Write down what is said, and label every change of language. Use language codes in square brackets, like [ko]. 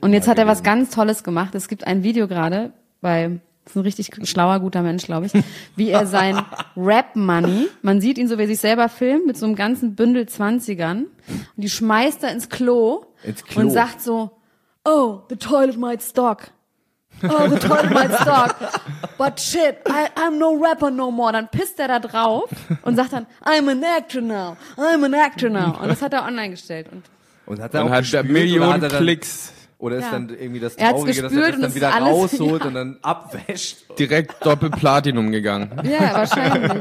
[de] Und jetzt hat er was ganz Tolles gemacht. Es gibt ein Video gerade, weil das ist ein richtig schlauer, guter Mensch, glaube ich, wie er sein Rap-Money, man sieht ihn so, wie er sich selber filmt, mit so einem ganzen Bündel 20ern, und die schmeißt er ins Klo und sagt so, [en] oh, the toilet might stock. Oh, the toilet might stock. But shit, I'm no rapper no more. [de] Dann pisst er da drauf und sagt dann, [en] I'm an actor now. [de] Und das hat er online gestellt. Und hat er und auch hat Millionen hat er dann, Klicks. Oder ist ja. dann irgendwie das Traurige, dass er das dann wieder alles, rausholt ja. und dann abwäscht. Direkt Doppelplatinum gegangen. Ja, wahrscheinlich.